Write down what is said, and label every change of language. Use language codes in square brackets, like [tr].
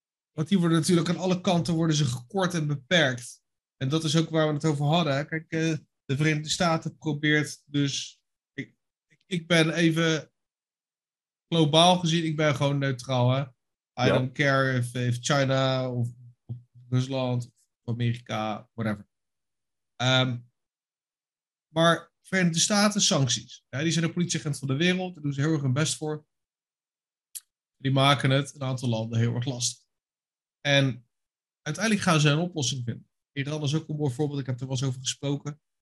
[nl] Want die worden natuurlijk aan alle kanten worden ze gekort en beperkt. En dat is ook waar we het over hadden. Kijk, de Verenigde Staten probeert dus... Ik ben even... Globaal gezien, ik ben gewoon neutraal. Hè? [en] I don't care if China of Rusland of Amerika, whatever. [nl] Maar Verenigde Staten, sancties. Ja, die zijn de politieagent van de wereld. Daar doen ze heel erg hun best voor. Die maken het een aantal landen heel erg lastig. En uiteindelijk gaan ze een oplossing vinden. Iran is ook een mooi voorbeeld, ik heb er wel eens over gesproken.